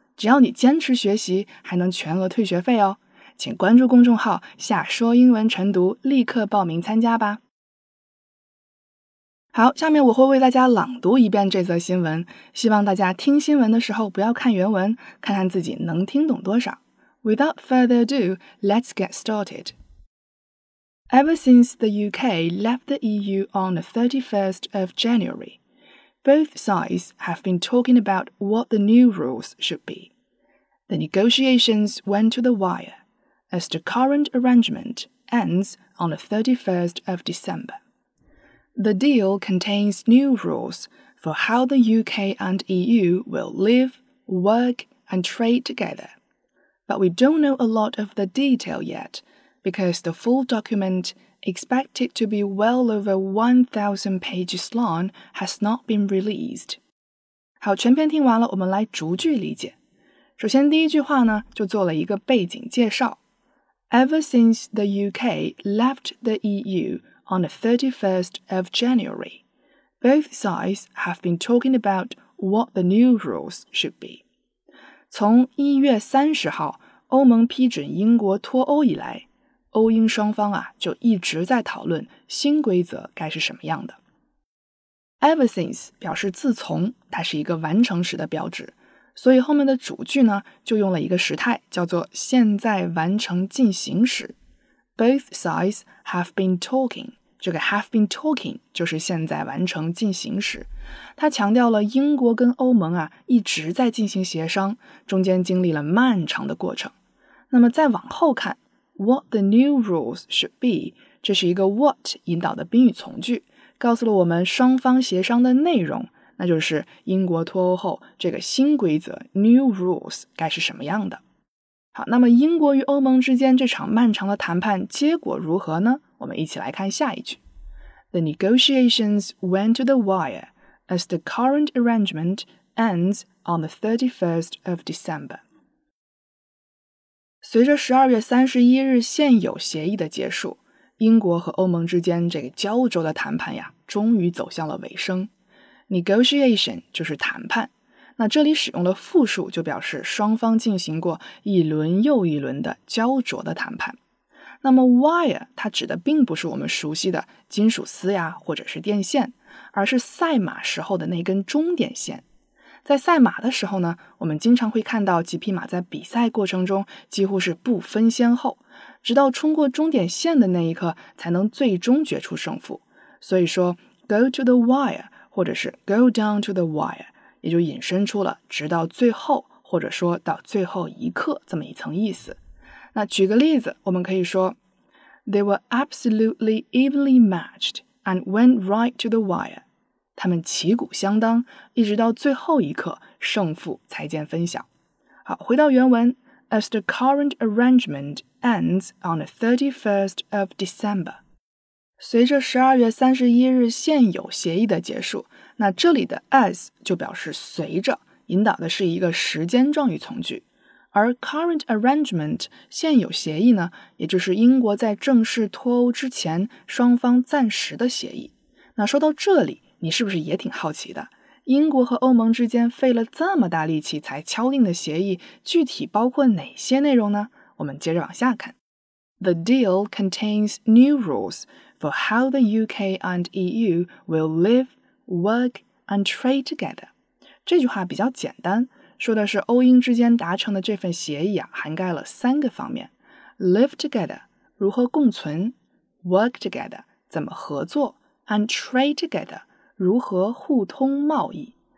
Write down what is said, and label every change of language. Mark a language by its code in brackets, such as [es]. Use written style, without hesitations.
[zh] 只要你坚持学习，还能全额退学费哦。请关注公众号“夏说英文晨读”，立刻报名参加吧。好，下面我会为大家朗读一遍这则新闻，希望大家听新闻的时候不要看原文，看看自己能听懂多少。 [en] Without further ado, let's get started. Ever since the UK left the EU on the 31st of January, both sides have been talking about what the new rules should be. The negotiations went to the wire, as the current arrangement ends on the 31st of December. The deal contains new rules for how the UK and EU will live, work, and trade together. But we don't know a lot of the detail yet, because the full document, expected to be well over 1,000 pages long, has not been released. [zh] 好，全篇听完了，我们来逐句理解。首先，第一句话呢，就做了一个背景介绍。 [en] Ever since the UK left the EU,On the 31st of January, both sides have been talking about what the new rules should be. [zh] 从1月30号欧盟批准英国脱欧以来，欧英双方啊就一直在讨论新规则该是什么样的。 Ever since 表示自从，它是一个完成时的标志，所以后面的主句呢就用了一个时态，叫做现在完成进行时。 [en] Both sides have been talking. [zh] 这个 have been talking 就是现在完成进行时，它强调了英国跟欧盟啊一直在进行协商，中间经历了漫长的过程。那么再往后看 ， [en] what the new rules should be， [zh] 这是一个 what 引导的宾语从句，告诉了我们双方协商的内容，那就是英国脱欧后这个新规则 new rules 该是什么样的。好，那么英国与欧盟之间这场漫长的谈判结果如何呢？我们一起来看下一句。 [en] The negotiations went to the wire as the current arrangement ends on the 31st of December. [zh] 随着12月31日现有协议的结束，英国和欧盟之间这个焦灼的谈判呀，终于走向了尾声。 Negotiation 就是谈判，那这里使用的复数就表示双方进行过一轮又一轮的焦灼的谈判。那么 wire 它指的并不是我们熟悉的金属丝呀或者是电线，而是赛马时候的那根终点线。在赛马的时候呢，我们经常会看到几匹马在比赛过程中几乎是不分先后，直到冲过终点线的那一刻才能最终决出胜负。所以说 [en] go to the wire [zh] 或者是 [en] go down to the wire [zh] 也就引申出了直到最后或者说到最后一刻这么一层意思。那举个例子，我们可以说 [en] They were absolutely evenly matched and went right to the wire. [zh] 他们旗鼓相当，一直到最后一刻，胜负才见分晓。好，回到原文 [en] As the current arrangement ends on the 31st of December. [zh] 随着12月31日现有协议的结束，那这里的 as 就表示随着，引导的是一个时间状语从句。而 [en] current arrangement [zh] 现有协议呢，也就是英国在正式脱欧之前双方暂时的协议。那说到这里，你是不是也挺好奇的？英国和欧盟之间费了这么大力气才敲定的协议，具体包括哪些内容呢？我们接着往下看。 [en] The deal contains new rules for how the UK and EU will live, work and trade together. [zh] 这句话比较简单，说的是欧英之间达成的这份协议啊，涵盖了三个方面 [en] Live together [zh] 如何共存 [en] Work together [zh] 怎么合作 [en] And trade together [zh] 如何互通贸易。